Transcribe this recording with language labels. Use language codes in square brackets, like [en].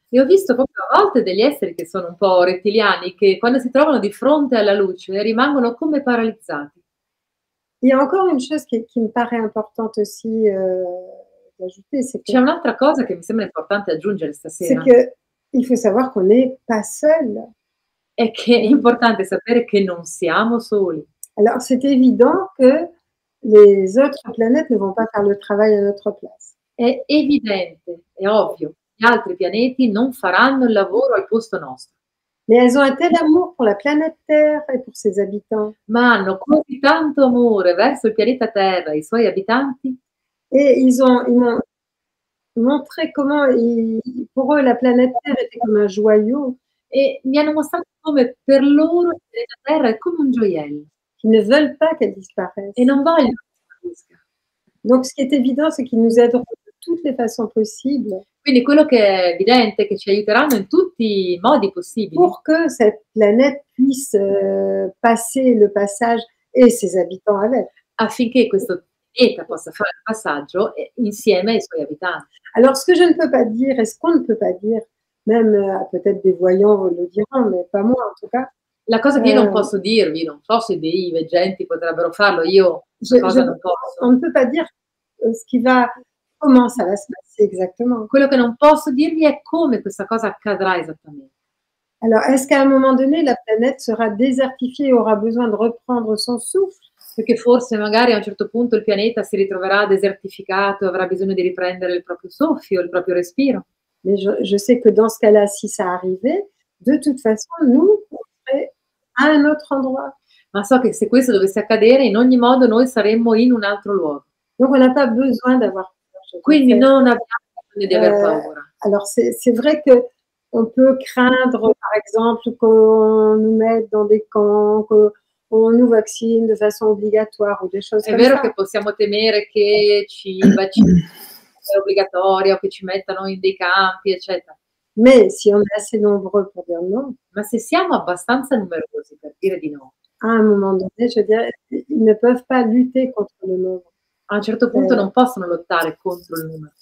[it] Et ho visto proprio a volte degli esseri che sono un po' rettiliani che quando si trovano di fronte alla luce rimangono come paralizzati. [fr] Il y a encore une chose qui me paraît importante aussi d'ajouter, c'est [it] que c'è un'altra cosa che mi sembra importante aggiungere stasera. [fr] C'est que il faut savoir qu'on n'est pas seul. [it] È che è importante sapere che non siamo soli. [fr] Alors, c'est évident que les autres planètes ne vont pas faire le travail à notre place. [it] È evidente, è ovvio, gli altri pianeti non faranno il lavoro al posto nostro. [fr] Mais elles ont un tel amour pour la planète Terre et pour ses habitants. [it] Ma hanno così tanto amore verso il pianeta Terra e i suoi abitanti. [fr] Et ils m'ont montré comment pour eux la planète Terre était comme un joyau. [it] E mi hanno mostrato come per loro la Terra è come un gioiello. [fr] Ils ne veulent pas qu'elle disparaisse. [it] E non vogliono che disparisca. [fr] Donc ce qui est évident c'est qu'ils nous aideront de toutes les façons possibles. [it] Quindi quello che è evidente è che ci aiuteranno in tutti i modi possibili. [fr] Pour que cette planète puisse passer le passage et ses habitants avec. [it] Affinché questo pianeta possa fare il passaggio insieme ai suoi abitanti. [fr] Alors ce que je ne peux pas dire et ce qu'on ne peut pas dire. Même peut-être des voyants le diront, mais pas moi en tout cas. [it] La cosa che io non posso dirvi, non so se dei veggenti potrebbero farlo, io cosa non posso. [fr] On ne peut pas dire ce qui va, comment ça va se passer exactement. [it] Quello che non posso dirvi è come questa cosa accadrà esattamente. [fr] Alors, est-ce qu'à un moment donné, la planète sera désertifiée et aura besoin de reprendre son souffle? [it] Perché forse magari a un certo punto il pianeta si ritroverà desertificato e avrà bisogno di riprendere il proprio soffio, il proprio respiro. [fr] Mais je sais que dans ce cas-là, si ça arrivait, de toute façon, nous, on serait à un autre endroit. [it] Ma so che se questo dovesse accadere, in ogni modo noi saremmo in un altro luogo. [fr] Donc, on n'a pas besoin d'avoir peur. [it] Quindi non abbiamo bisogno di aver paura. [fr] Alors, c'est vrai que on peut craindre, par exemple, qu'on nous mette dans des camps, que on nous vaccine de façon obligatoire ou des choses comme ça. [it] È vero che possiamo temere che ci vaccino obbligatoria o che ci mettano in dei campi, eccetera. [fr] Mais si on est assez nombreux pour dire non. [it] Ma se siamo abbastanza numerosi per dire di no. [fr] À un moment donné, je veux dire, ils ne peuvent pas lutter contre le nombre. [it] A un certo punto non possono lottare contro il numero.